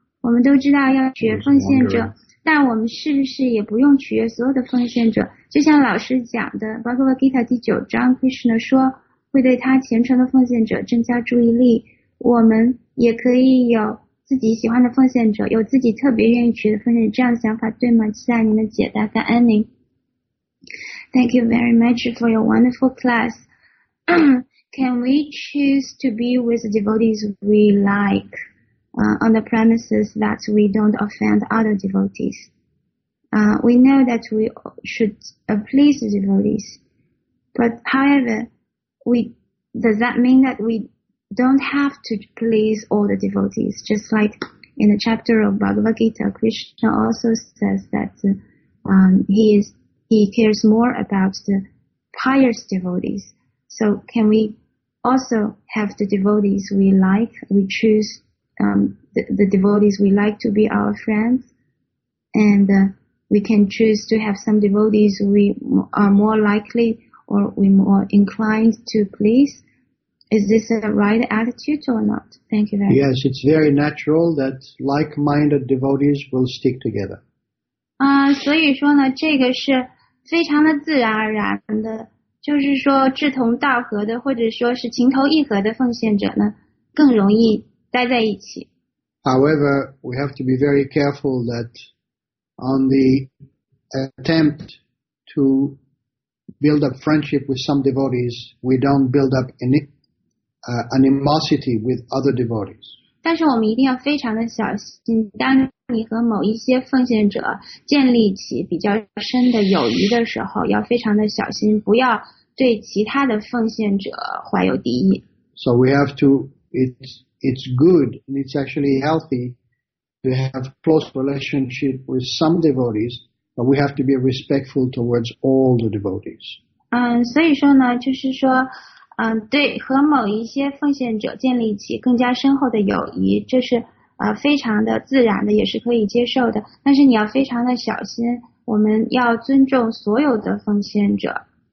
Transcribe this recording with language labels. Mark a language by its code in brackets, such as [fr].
[zh] 我们都知道要取悦奉献者，但我们是不是也不用取悦所有的奉献者？就像老师讲的，《Bhagavad Gita》第九章 ，Krishna 说会对他虔诚的奉献者增加注意力。我们也可以有自己喜欢的奉献者，有自己特别愿意取的奉献者，这样想法对吗？期待您的解答，感恩您。 [en] Thank you very much for your wonderful class. Can we choose to be with the devotees we like? on the premises that we don't offend other devotees. We know that we should please the devotees. But however, does that mean that we don't have to please all the devotees? Just like in the chapter of Bhagavad Gita, Krishna also says that he cares more about the pious devotees. So can we also have the devotees we like, we choose the devotees we like to be our friends, and we can choose to have some devotees we are more likely or we more inclined to please? Is this a right attitude or not? Thank you very much. Yes, it's very natural that like-minded devotees will stick together. [zh] 所以说呢，这个是非常的自然而然的，就是说志同道合的，或者说是情投意合的奉献者呢，更容易待在一起。 [en] However, we have to be very careful that on the attempt to build up friendship with some devotees, we don't build up animosity with other devotees. [zh] 但是我们一定要非常的小心，当你和某一些奉献者建立起比较深的友谊的时候，要非常的小心，不要对其他的奉献者怀有敌意。 [en] So we have to, it's good and it's actually healthy to have close relationship with some devotees, but we have to be respectful towards all the devotees. [zh] 所以说呢，就是说，对，和某一些奉献者建立起更加深厚的友谊，这是非常的自然的，也是可以接受的。但是你要非常的小心，我们要尊重所有的奉献者。